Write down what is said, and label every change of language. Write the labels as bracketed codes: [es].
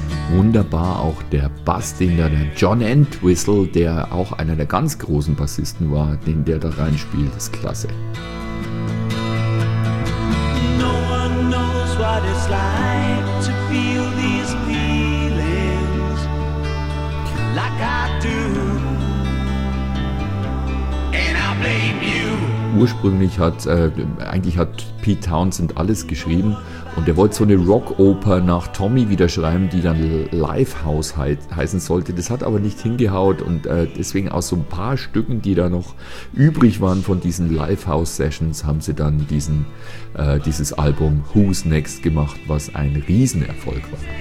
[de] Wunderbar, auch der Bass, den da der John Entwistle, der auch einer der ganz großen Bassisten war, den der da reinspielt, ist klasse. [en] No one knows what it's like to feel these feelings like I do. And I blame you. [de] Ursprünglich hat, eigentlich hat Pete Townsend alles geschrieben und er wollte so eine Rockoper nach Tommy wieder schreiben, die dann Lifehouse heißen sollte. Das hat aber nicht hingehaut und deswegen aus so ein paar Stücken, die da noch übrig waren von diesen Lifehouse-Sessions, haben sie dann dieses Album Who's Next gemacht, was ein Riesenerfolg war.